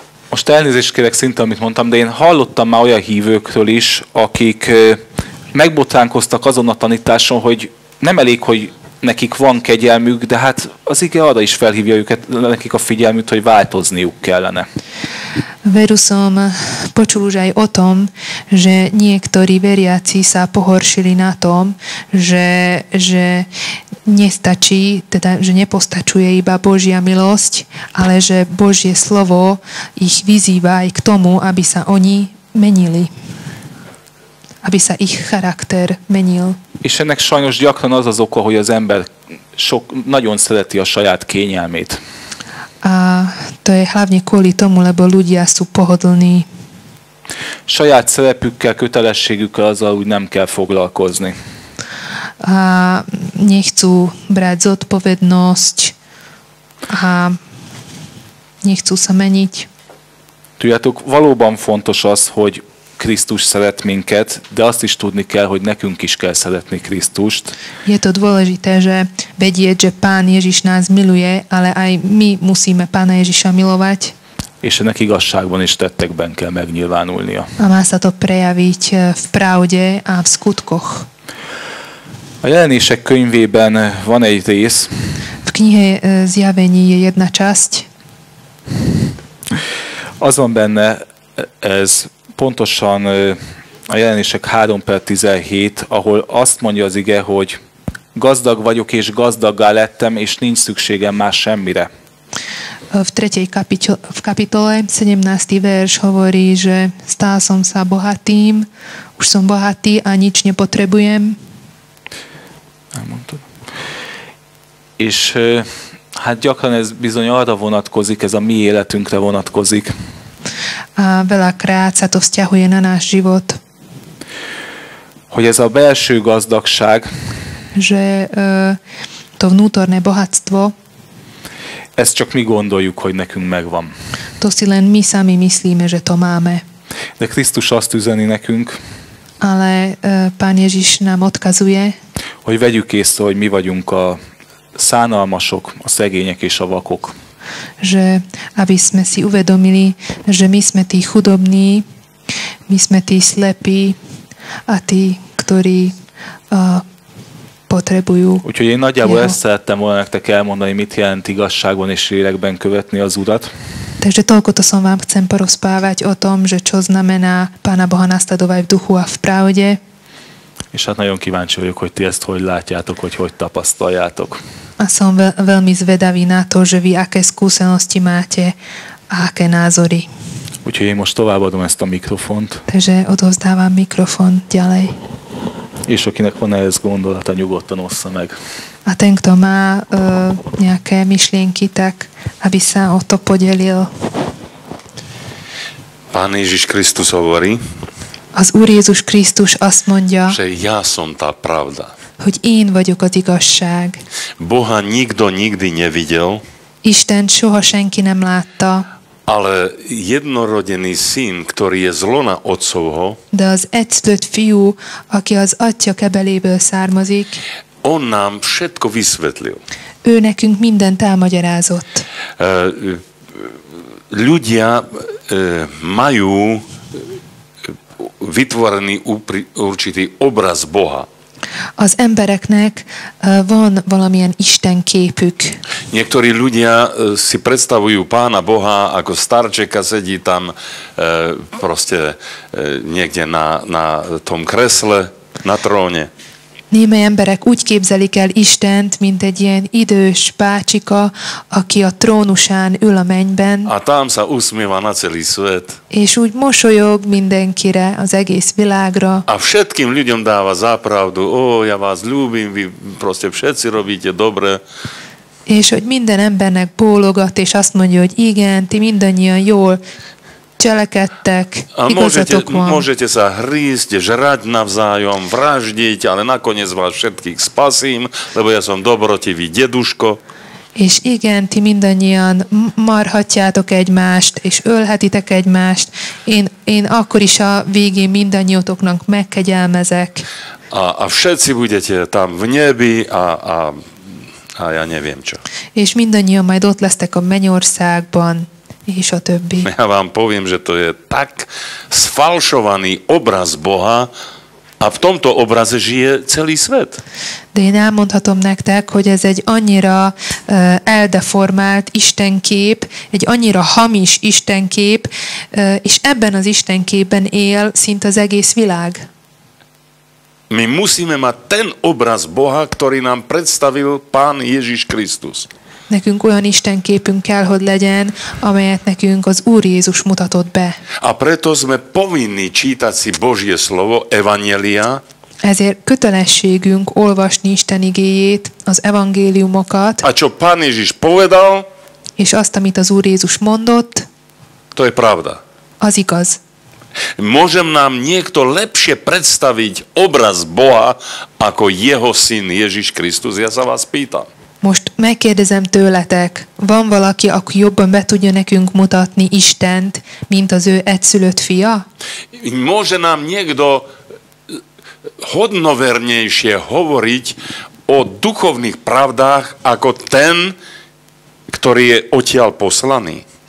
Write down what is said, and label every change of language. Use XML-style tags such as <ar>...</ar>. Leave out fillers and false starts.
<hu>Most elnézést kérek szinte, amit mondtam, de én hallottam már olyan hívőkről is, akik megbotránkoztak azon a tanításon, hogy nem elég, hogy nekik van kegyelmük, de hát az ige arra is felhívja őket, nekik a figyelmüket, hogy változniuk kellene.</hu> <sk>Veru som počul už aj o tom, že niektorí veriaci sa pohoršili na tom, že nestačí, teda že nepostačuje iba Božia milosť, ale že Božie slovo ich vyzýva aj k tomu, aby sa oni menili. Aby sa ich charakter menil.</sk> <hu>És ennek sajnos gyakran az az oka, hogy az ember sok nagyon szereti a saját kényelmét.</hu> <sk>A to je hlavne kvôli tomu, lebo ľudia sú pohodlní.</sk> <hu>Saját szerepükkel, kötelességükkel azzal úgy nem kell foglalkozni.</hu> <sk>A nechcú brať zodpovednosť a nechcú sa meniť.</sk> <hu>Tudjátok, valóban fontos az, hogy Krisztus szeret minket, de azt is tudni kell, hogy nekünk is kell szeretni Krisztust.</hu> <sk>Je to dôležité, že vedieť, že Pán Ježiš nás miluje, ale aj my musíme Pána Ježiša milovať.</sk> <hu>És ennek igazságban is tettekben kell megnyilvánulnia.</hu> <sk>A má sa to prejaviť v pravde a v skutkoch.</sk> <hu>A Jelenések könyvében van egy rész.</hu> <sk>V knihe Zjavení je jedna časť.</sk> <hu>Azon benne ez pontosan a Jelenések 3:17, ahol azt mondja az ige, hogy gazdag vagyok és gazdaggá lettem, és nincs szükségem már semmire.</hu> <sk>V 3. kapitole 17. verš hovorí, že stál som sa bohatým, už som bohatý a nič nepotrebujem.</sk> <hu>Elmondtad. És hát gyakran ez bizony arra vonatkozik, ez a mi életünkre vonatkozik.</hu> <sk>A veľakrát sa to vzťahuje na náš život.</sk> <hu>Hogy ez a belső gazdagság,</hu> <sk>že to vnútorné bohatstvo,</sk> <hu>ezt csak mi gondoljuk, hogy nekünk megvan.</hu> <sk>To si len my sami myslíme, že to máme.</sk> <hu>De Krisztus azt üzeni nekünk,</hu> <sk>Ale Pán Ježiš nám odkazuje,</sk> <hu>hogy vegyük észre, hogy mi vagyunk a szánalmasok, a szegények és a vakok.</hu> <sk>Že aby sme si uvedomili, že my sme tí chudobní, my sme tí slepí a tí, ktorí potrebujú.</sk> <hu>Úgyhogy én nagyjából ezt szerettem volna nektek elmondani, mit jelent igazságban és lélekben követni az Urat.</hu> <sk>Takže toľko to som vám chcem porozprávať o tom, že čo znamená Pána Boha nasledovať v duchu a v pravde.</sk> <hu>És hát nagyon kíváncsi vagyok, hogy ti ezt hogy látjátok, hogy hogy tapasztaljátok.</hu> <sk>A som veľmi zvedavý na to, že vy aké skúsenosti máte a aké názory.</sk> <hu>Úgyhogy én most továbbadom ezt a mikrofont.</hu> <sk>Takže odovzdávam mikrofon ďalej.</sk> <hu>És akinek van ehhez gondolata, nyugodtan ossza meg.</hu> <sk>A ten, kto má nejaké myšlienky, tak aby sa o to podelil. Pán Ježiš Kristus hovorí.</sk> <hu>Az Úr Jézus Krisztus azt mondja,</hu> <sk>že ja som tá pravda.</sk> <hu>Hogy én vagyok az igazság.</hu> <sk>Boha nikto nikdy nevidel.</sk> <hu>Isten soha senki nem látta.</hu> <sk>Ale jednorodený syn, ktorý je z lona otcovho,</sk> <hu>de az egyszülött fiú, aki az atya kebeléből származik,</hu> <sk>on nám všetko vysvetlil.</sk> <hu>Ő nekünk mindent elmagyarázott.</hu> <sk>Ľudia majú vytvorený určitý obraz Boha.</sk> <hu>Az embereknek van valamilyen Isten képük.</hu> <sk>Niektorí ľudia si predstavujú Pána Boha ako starčeka, sedí tam proste niekde na tom kresle, na tróne.</sk> <hu>Némely emberek úgy képzelik el Istent, mint egy ilyen idős bácsika, aki a trónusán ül a mennyben.</hu> <sk>A tam sa usmíva na celý svet.</sk> <hu>És úgy mosolyog mindenkire, az egész világra.</hu> <sk>A všetkým ľuďom dáva zapravdu, ó, ja vás ľúbim, vy proste všetci robíte dobre.</sk> <hu>És hogy minden embernek bólogat, és azt mondja, hogy igen, ti mindannyian jól cselekedtek, igazatok van.</hu> <sk>Môžete sa hrísť, žrať navzájom, vraždiť, ale nakoniec vás všetkých spasím, lebo ja som dobrotivý deduško.</sk> <hu>És igen, ti mindannyian marhatjátok egymást, és ölhetitek egymást. Én akkor is a végén mindannyiótoknak megkegyelmezek.</hu> <sk>A všetci budete tam v nebi, a ja neviem čo.</sk> <hu>És mindannyian majd ott lesztek a mennyországban. És a többi.</hu> <sk>Ja vám poviem, že to je tak sfalšovaný obraz Boha a v tomto obraze žije celý svet.</sk> <hu>De én elmondhatom nektek, hogy ez egy annyira eldeformált istenkép, egy annyira hamis istenkép, és ebben az istenképben él szinte az egész világ.</hu> <sk>My musíme mať ten obraz Boha, ktorý nám predstavil Pán Ježiš Krisztus.</sk> <hu>Nekünk olyan istenképünk kell, hogy legyen, amelyet nekünk az Úr Jézus mutatott be.</hu> <sk>A preto sme povinni čítať si Božie slovo, evanjelia.</sk> <hu>Ezért kötelességünk olvasni Isten igéjét, az evangéliumokat.</hu> <sk>A čo Pán Ježiš povedal.</sk> <hu>És azt, amit az Úr Jézus mondott.</hu> <sk>To je pravda.</sk> <hu>Az igaz.</hu> <sk>Môžem nám niekto lepšie predstaviť obraz Boha, ako jeho syn Ježiš Kristus? Ja sa vás pýtam.</sk> <hu>Most megkérdezem tőletek, van valaki, aki jobban be tudja nekünk mutatni Istent, mint az ő egyszülött fia?</hu> <sk>Môže nám niekto hodnovernejšie hovoriť o duchovných pravdách, ako ten, ktorý je odtiaľ poslaný?</sk>